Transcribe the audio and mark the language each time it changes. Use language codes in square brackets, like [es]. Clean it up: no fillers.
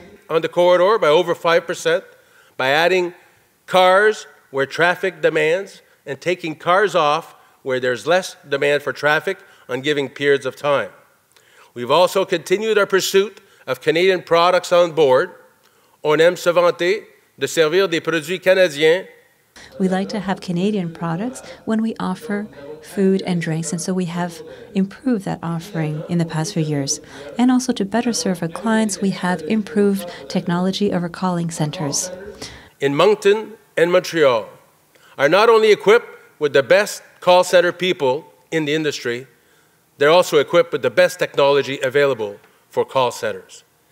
[en] On the corridor by over 5% by adding cars where traffic demands and taking cars off where there's less demand for traffic on given periods of time. We've also continued our pursuit of Canadian products on board. [fr] On aime se vanter de servir des produits canadiens. [en] We like to have Canadian products when we offer food and drinks, and so we have improved that offering in the past few years. And also to better serve our clients, we have improved technology of our calling centers. In Moncton and Montreal, are not only equipped with the best call center people in the industry, they're also equipped with the best technology available for call centers.